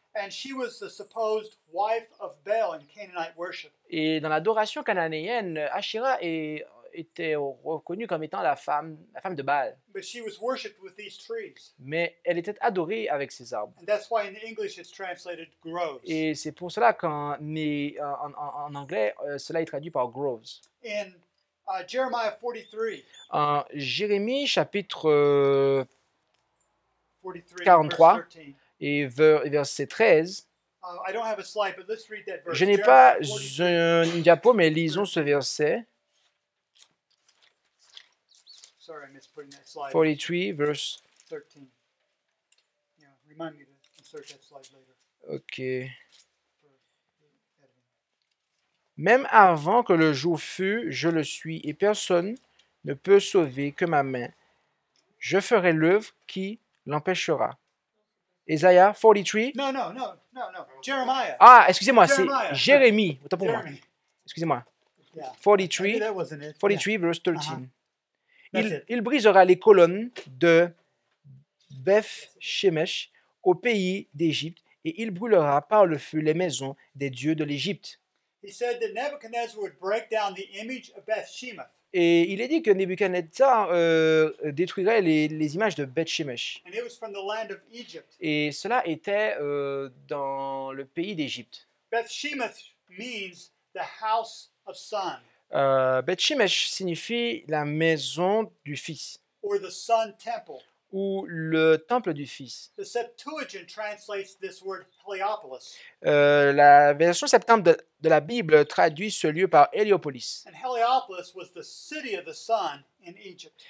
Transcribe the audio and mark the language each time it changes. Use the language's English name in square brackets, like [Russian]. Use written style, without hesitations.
[English] And she was the supposed wife of Baal in Canaanite worship. [French] Et dans l'adoration cananéenne, Asherah était reconnue comme étant la femme de Baal. [English] But she was worshipped with these trees. [French] Mais elle était adorée avec ces arbres. [English] And that's why in English it's translated groves. [French] Et c'est pour cela qu'en anglais, cela est traduit par groves. [English] In Jeremiah 43. [French] En Jérémie chapitre 43, 43 verse et verset 13. [English] I don't have a slide, but let's read that verse. [French] Je n'ai pas un diapo, mais lisons ce verset. [English] Sorry, I missed putting that slide. 43, verse 13. Yeah, remind me to insert that slide later. Okay. [French] Même avant que le jour fût, je le suis, et personne ne peut sauver que ma main. Je ferai l'œuvre qui l'empêchera. [English] Isaiah 43. No. Jeremiah. [French] Ah, excusez-moi, c'est Jérémie. Autant pour moi. Excusez-moi. [English] Yeah. 43, verse 13. Uh-huh. [French] Il brisera les colonnes de Beth-Shemesh au pays d'Égypte et il brûlera par le feu les maisons des dieux de l'Égypte. [English] He said that Nebuchadnezzar would break down the image of Beth-Shemesh. [French] Et il est dit que Nebuchadnezzar détruirait les images de Beth-Shemesh. [English] And it was from the land of Egypt. [French] Et cela était dans le pays d'Égypte. [English] Beth-Shemesh means the house of son. [French] Beth-Shemesh signifie la maison du fils. [English] Or the son temple. [French] Ou le temple du fils. [English] The Septuagint translates this word Heliopolis. [French] La version septante de la Bible traduit ce lieu par Héliopolis. [English] And Heliopolis was the city of the sun in Egypt.